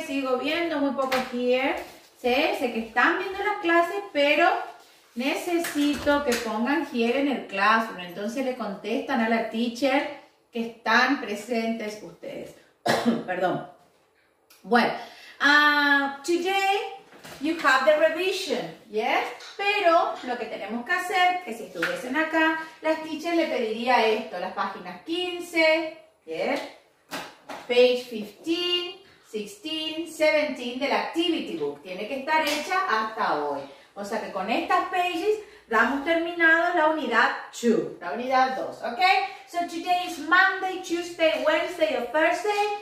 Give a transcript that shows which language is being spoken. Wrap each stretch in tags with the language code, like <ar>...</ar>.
<es>Sigo viendo muy poco here. Sí, sé que están viendo las clases, pero necesito que pongan here en el classroom. Entonces le contestan a la teacher que están presentes ustedes. Perdón.</es> <en>Bueno, today you have the revision, yes?</en> <es>Pero lo que tenemos que hacer, que si estuviesen acá, las teachers le pediría esto, las páginas 15, yes?</es> <en>Page 15, 16, 17 del activity book.</en> <es>Tiene que estar hecha hasta hoy. O sea que con estas pages damos terminado la unidad 2, la unidad 2, ¿ok?</es> <en>So today is Monday, Tuesday, Wednesday or Thursday.</en>